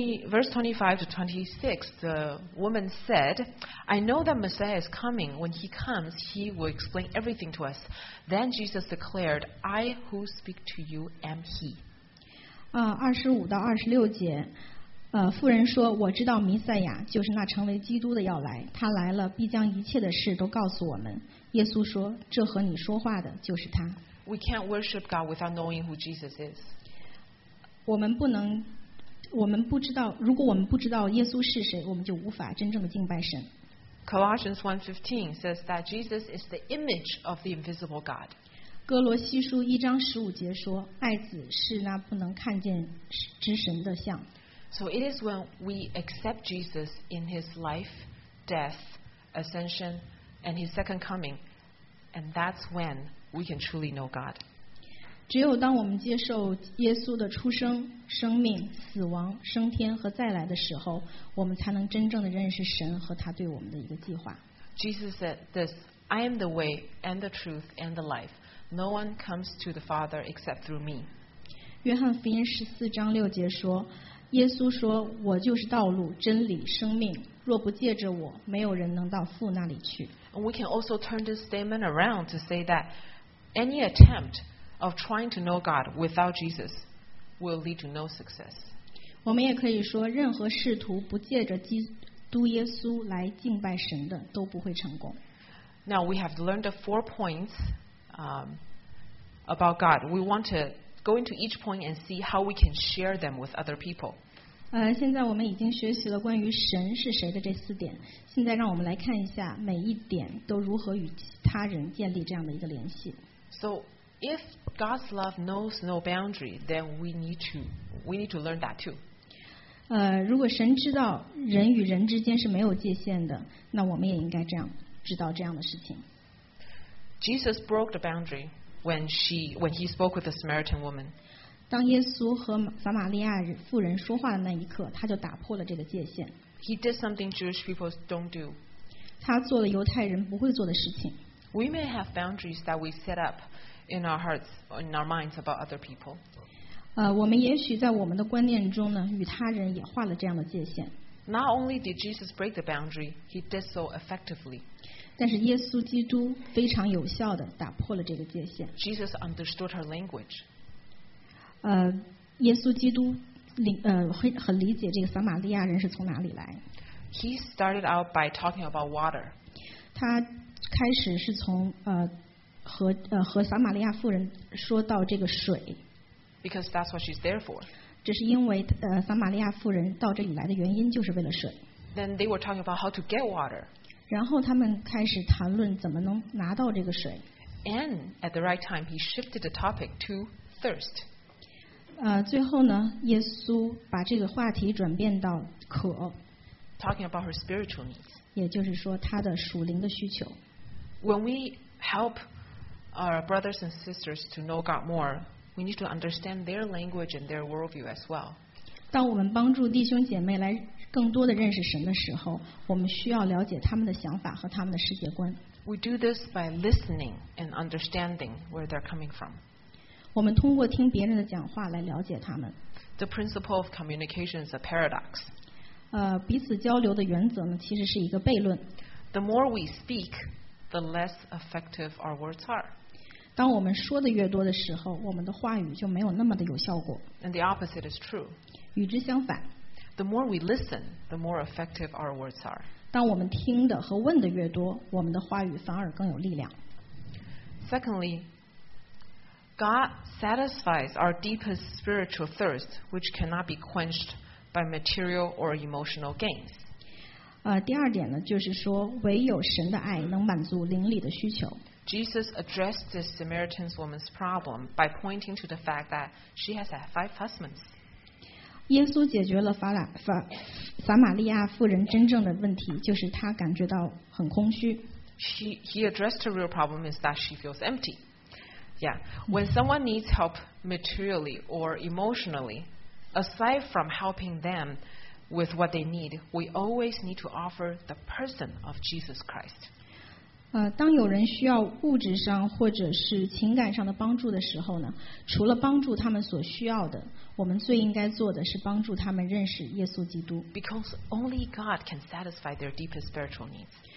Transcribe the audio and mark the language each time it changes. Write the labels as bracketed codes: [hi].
[en] Verse 25 to 26, the woman said, I know that Messiah is coming. When he comes, he will explain everything to us. Then Jesus declared, I who speak to you am he. [zh] 25到26节，妇人说，我知道弥赛亚，就是那成为基督的要来。他来了，必将一切的事都告诉我们。耶稣说，这和你说话的就是他。 [en] We can't worship God without knowing who Jesus is. [zh] 我们不知道，如果我们不知道耶稣是谁，我们就无法真正的敬拜神。 [en] Colossians 1:15 says that Jesus is the image of the invisible God. [zh] 哥罗西书一章十五节说，爱子是那不能看见之神的像。 [en] So it is when we accept Jesus in his life, death, ascension, and his second coming, and that's when we can truly know God. [zh] 只有当我们接受耶稣的出生、生命、死亡、升天和再来的时候，我们才能真正的认识神和他对我们的一个计划。 [en] Jesus said this, I am the way and the truth and the life. No one comes to the Father except through me. [zh] 约翰福音十四章六节说，耶稣说，我就是道路、真理、生命。若不借着我，没有人能到父那里去。 [en] And we can also turn this statement around to say that any attempt of trying to know God without Jesus will lead to no success. [zh] 我们也可以说，任何试图不借着基督耶稣来敬拜神的都不会成功。 [en] Now we have learned the four points about God. We want to go into each point and see how we can share them with other people. [zh] 现在我们已经学习了关于神是谁的这四点，现在让我们来看一下每一点都如何与他人建立这样的一个联系。 [en] So if God's love knows no boundary, then we need to learn that too. [zh] 如果神知道人与人之间是没有界限的，那我们也应该这样知道这样的事情。 [en] Jesus broke the boundary when he spoke with the Samaritan woman. [zh] 当耶稣和撒玛利亚妇人说话的那一刻，他就打破了这个界限。 [en] He did something Jewish people don't do. [zh] 他做了犹太人不会做的事情。 [en] We may have boundaries that we set up in our hearts or in our minds about other people. [zh] 我们也许在我们的观念中呢，与他人也画了这样的界限。 [en] Not only did Jesus break the boundary, he did so effectively. [zh] 但是耶稣基督非常有效地打破了这个界限。 [en] Jesus understood her language. [zh] 耶稣基督很理解这个撒玛利亚人是从哪里来。 [en] He started out by talking about water. [zh] 他开始是从和撒玛利亚妇人说到这个水。 [en] Because that's what she's there for. [zh] 这是因为撒玛利亚妇人到这里来的原因就是为了水。 [en] Then they were talking about how to get water. [zh] 然后他们开始谈论怎么能拿到这个水。 [en] And at the right time, he shifted the topic to thirst. [zh] 最后呢，耶稣把这个话题转变到渴。 [en] Talking about her spiritual needs. [zh] 也就是说她的属灵的需求。 [en] When we help our brothers and sisters to know God more, we need to understand their language and their worldview as well. [zh] 当我们帮助弟兄姐妹来更多的认识神的时候，我们需要了解他们的想法和他们的世界观。 [en] We do this by listening and understanding where they're coming from. [zh] 我们通过听别人的讲话来了解他们。 [en] The principle of communication is a paradox. [zh] 彼此交流的原则呢，其实是一个悖论。 [en] The more we speak, the less effective our words are. [zh] 当我们说的越多的时候，我们的话语就没有那么的有效果。 [en] And the opposite is true. [zh] 与之相反。 [en] The more we listen, the more effective our words are. [zh] 当我们听的和问的越多，我们的话语反而更有力量。 [en] Secondly, God satisfies our deepest spiritual thirst, which cannot be quenched by material or emotional gains. [zh] 第二点呢，就是说，唯有神的爱能满足灵里的需求。 [en] Jesus addressed this Samaritan woman's problem by pointing to the fact that she has had five husbands. [zh] 耶稣解决了撒玛利亚妇人真正的问题，就是她感觉到很空虚。 [en] He addressed her real problem is that she feels empty. Yeah, when someone needs help materially or emotionally, aside from helping them with what they need, we always need to offer the person of Jesus Christ. [zh] 当有人需要物质上或者是情感上的帮助的时候呢，除了帮助他们所需要的，我们最应该做的是帮助他们认识耶稣基督。 [en] Because only God can satisfy their deepest spiritual needs.